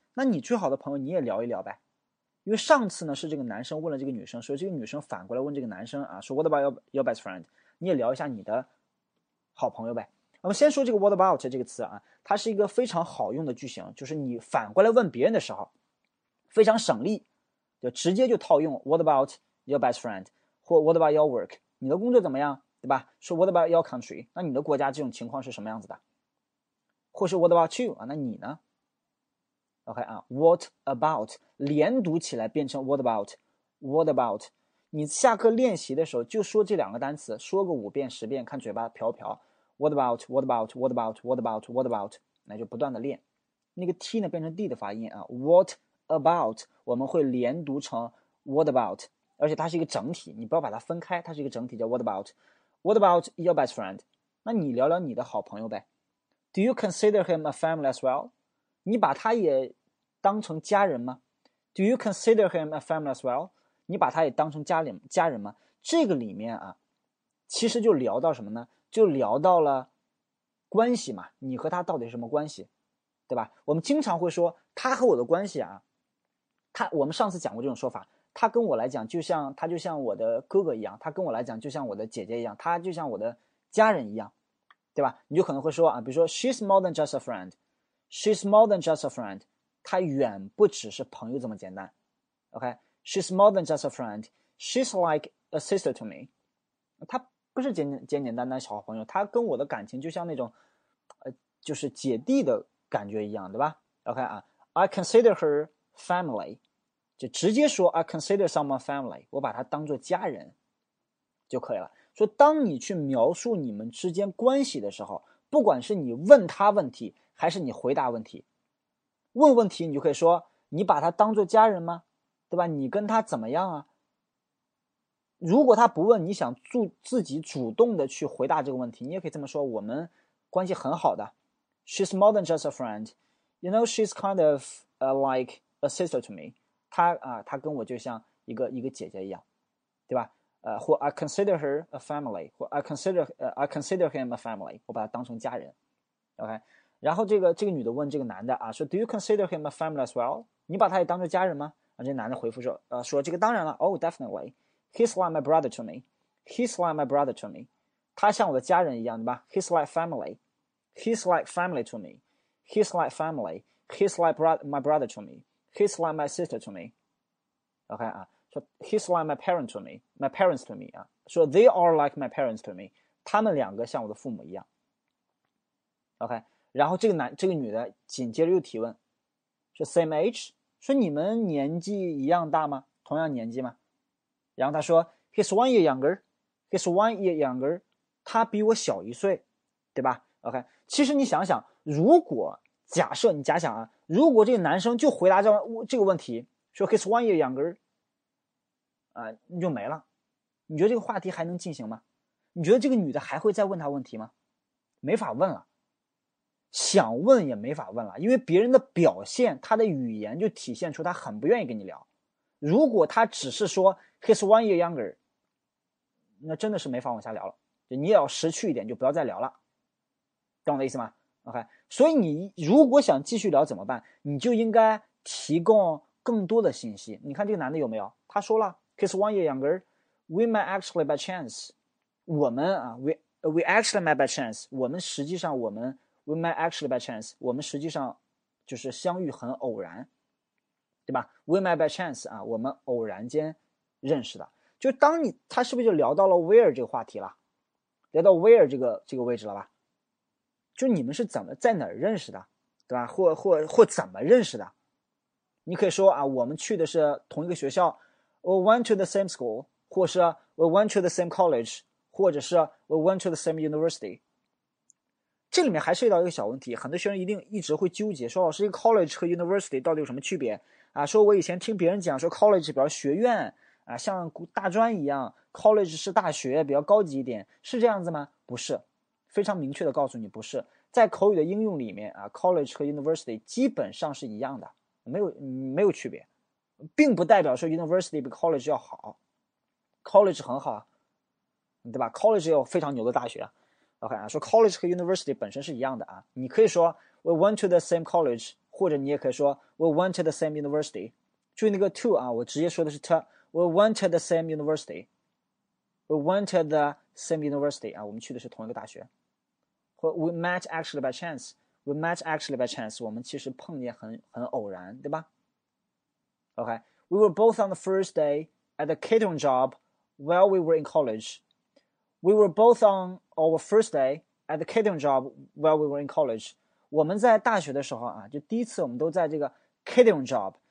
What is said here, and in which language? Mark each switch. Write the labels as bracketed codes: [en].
[zh] 那你最好的朋友你也聊一聊呗。因为上次呢是这个男生问了这个女生，所以这个女生反过来问这个男生啊，说 [en] what about your best friend? [zh] 你也聊一下你的好朋友呗。那么先说这个 what about 这个词啊，它是一个非常好用的句型，就是你反过来问别人的时候非常省力。就直接就套用 [en] What about your best friend? [zh] 或 [en] What about your work? [zh] 你的工作怎么样，对吧？说 [en] What about your country? [zh] 那你的国家这种情况是什么样子的？或是 [en] What about you? [zh] 那你呢？ OK 啊， [en] What about [zh] 连读起来变成 What about? [en] What about? [zh] 你下课练习的时候就说这两个单词，说个5遍10遍，看嘴巴瓢瓢。 [en] What about? What about? What about? What about? What about? [zh] 那就不断的练。那个 T 呢变成 D 的发音啊， [en] What about [zh] 我们会连读成 what about， 而且它是一个整体，你不要把它分开，它是一个整体叫 what about。 [en] What about your best friend？ [zh] 那你聊聊你的好朋友呗。 [en] Do you consider him a family as well？ [zh] 你把他也当成家人吗？ [en] Do you consider him a family as well？ [zh] 你把他也当成家人吗？这个里面啊，其实就聊到什么呢？就聊到了关系嘛，你和他到底是什么关系，对吧？我们经常会说他和我的关系啊，他，我们上次讲过这种说法，他跟我来讲就像，他就像我的哥哥一样，他跟我来讲就像我的姐姐一样，他就像我的家人一样，对吧？你就可能会说啊，比如说 [en] she's more than just a friend， [zh] she's more than just a friend， 他远不只是朋友这么简单， OK， she's more than just a friend， [en] she's like a sister to me， [zh] 他不是简单单小朋友，他跟我的感情就像那种就是姐弟的感觉一样，对吧？ OK 啊， [en] I consider her family， [zh] 就直接说 [en] I consider someone family， [zh] 我把他当做家人就可以了。说当你去描述你们之间关系的时候，不管是你问他问题还是你回答问题，问问题你就可以说你把他当做家人吗，对吧？你跟他怎么样啊？如果他不问，你想自己主动的去回答这个问题，你也可以这么说，我们关系很好的。 [en] She's more than just a friend， You know she's kind of like a sister to me， [zh] 他啊，他跟我就像一个姐姐一样，对吧？ [en] 或 I consider her a family， 或 I consider him a family， [zh] 我把他当成家人， [en] OK。 [zh] 然后这个女的问这个男的啊，说 [en] Do you consider him a family as well？ [zh] 你把他也当成家人吗？啊，这男的回复说，说这个当然了， [en] Oh definitely， He's like my brother to me， He's like my brother to me， [zh] 他像我的家人一样，对吧？ [en] He's like family， He's like family to me， He's like family， He's like my brother to me， He's like my sister to me， OK 啊。 So, he's like my parents to me， my parents to me 啊，说 they are like my parents to me， [zh] 他们两个像我的父母一样。 OK， 然后这个女的紧接着又提问，说 [en] same age， [zh] 说你们年纪一样大吗？同样年纪吗？然后他说 [en] he's one year younger， [zh] 他比我小一岁，对吧 ？OK， 其实你想想，如果假设你假想啊，如果这个男生就回答这个问题，说 he's one year younger。你就没了，你觉得这个话题还能进行吗？你觉得这个女的还会再问她问题吗？没法问了，想问也没法问了，因为别人的表现，她的语言就体现出她很不愿意跟你聊。如果她只是说 [en] he's one year younger， [zh] 那真的是没法往下聊了，就你也要识趣一点，就不要再聊了，懂我的意思吗？ OK， 所以你如果想继续聊怎么办，你就应该提供更多的信息。你看这个男的有没有，他说了 [en] He's one year younger. We met actually by chance. [zh] 我们啊 [en] ，we actually met by chance. [zh] 我们实际上 [en] we met actually by chance. [zh] 我们实际上就是相遇很偶然，对吧 ？ [en] We met by chance [zh] 啊，我们偶然间认识的。就当你他是不是就聊到了 where 这个话题了？聊到 where 这个位置了吧？就你们是怎么在哪儿认识的，对吧？或怎么认识的？你可以说啊，我们去的是同一个学校。 [en] We went to the same school， 或是 We went to the same college， 或者是 We went to the same university。 [zh] 这里面还涉及到一个小问题，很多学生一定一直会纠结，说老师，一个 college 和 university 到底有什么区别啊？说我以前听别人讲说 college 比较学院啊，像大专一样， college 是大学，比较高级一点，是这样子吗？不是，非常明确的告诉你，不是。在口语的应用里面啊， college 和 university 基本上是一样的，没有区别，并不代表说 university 比 college 要好， college 很好，对吧？ college 有非常牛的大学， OK 啊，说 college 和 university 本身是一样的啊。 [en] 你可以说 we went to the same college， 或者你也可以说 we went to the same university， 注意那个 to 啊，我直接说的是 to， we went to the same university， we went to the same university 啊， [zh] 我们去的是同一个大学。 [en] 或 we met actually by chance， we met actually by chance， [zh] 我们其实碰见很偶然，对吧？ [en] OK， we were both on the first day at the catering job while we were in college. We were both on our first day at the catering job while we were in college. [zh] 我们在大学的时候啊，就第一次我们都在这个 catering job。